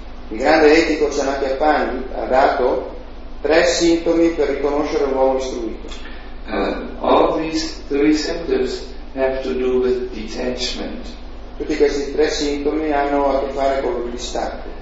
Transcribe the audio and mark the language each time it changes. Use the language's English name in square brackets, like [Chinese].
[Italian] Il grande etico Chanakya Pandit ha dato tre sintomi per riconoscere un uomo istruito. [English] All these three symptoms have to do with detachment. [Italian] Tutti questi tre sintomi hanno a che fare con il distacco.